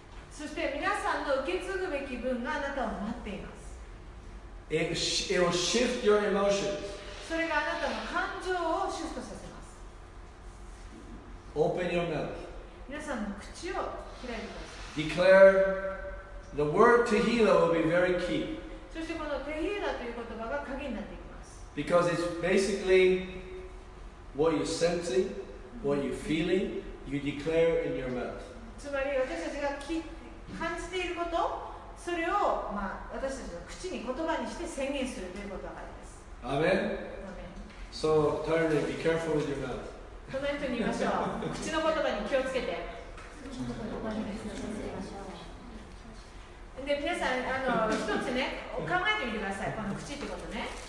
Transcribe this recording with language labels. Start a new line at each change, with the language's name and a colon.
Japanese: そして皆さんの受け継ぐべき分があなたを待っています。
English: It will shift your emotions.
Japanese: それがあなたの感情をシフトさせます。
English: Open your mouth.
Japanese: 皆さんの口を開いてください。
English: Declare the word to heal will be very key.
Japanese: そしてこのテヒーラという言葉が鍵になっていきます。
English: Because it's basically what you're sensing, what you're feeling, you declare in your mouth.
Japanese: つまり私たちが感じていること、それを、まあ、私たちの口に言葉にして宣言するということがあります。
English: アメン。So, Tarly, be careful with your mouth.
Japanese: この人に言いましょう。口の言葉に気をつけて。で皆さん、一つね、考えてみてください、この口ってことね。